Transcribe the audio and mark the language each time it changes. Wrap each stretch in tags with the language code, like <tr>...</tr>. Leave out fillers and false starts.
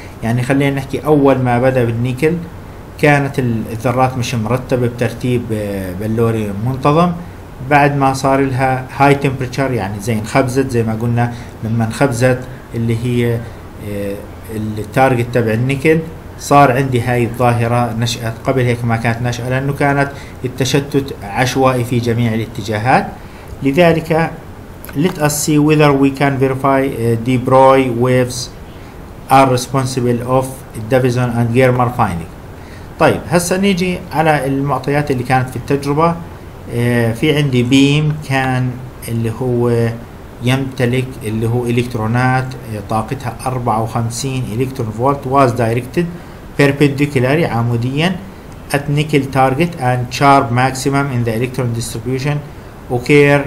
<ar>يعني خلينا نحكي أول ما بدأ بالنيكل كانت الذرات مش مرتبة بترتيب بلوري منتظم، بعد ما صار لها هاي تمبرتشر يعني زي انخبزت، زي ما قلنا لما انخبزت اللي هي التارجت تبع النيكل صار عندي هاي الظاهرة نشأت. قبل هيك ما كانت نشأة لأنه كانت التشتت عشوائي في جميع الاتجاهات. لذلك</ar> <en>let us see whether we can verify De Broglie waves are responsible of Davison and Germer finding.</en> <ar>طيب هسا نيجي على المعطيات اللي كانت في التجربة. في عندي بيم كان اللي هو يمتلك اللي هو الكترونات طاقتها 54 الكترون فولت،</ar> <en>was directed perpendicularly</en> <ar>عموديا</ar> <en>at nickel target and charge maximum in the electron distribution occur.</en>